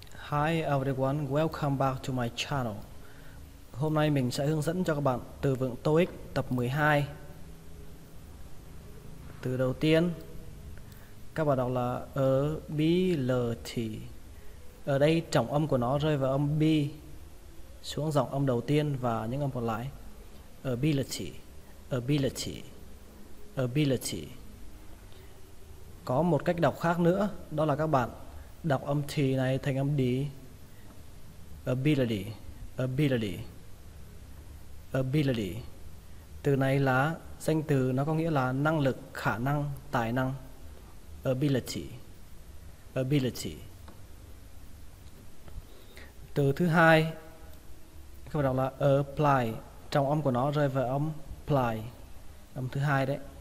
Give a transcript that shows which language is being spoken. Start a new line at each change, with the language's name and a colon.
English: Hi everyone, welcome back to my channel.
Vietnamese: Hôm nay mình sẽ hướng dẫn cho các bạn từ vựng TOEIC tập 12. Từ đầu tiên, các bạn đọc là ability. Ở đây trọng âm của nó rơi vào âm B xuống giọng âm đầu tiên và những âm còn lại.
English: Ability, ability, ability.
Vietnamese: Có một cách đọc khác nữa, đó là các bạn đọc âm T này thành âm D.
English: Ability, ability, ability.
Vietnamese: Từ này là danh từ, nó có nghĩa là năng lực, khả năng, tài năng.
English: Ability, ability.
Vietnamese: Từ thứ hai các bạn đọc là apply, trọng âm của nó rơi vào âm apply, âm thứ hai đấy.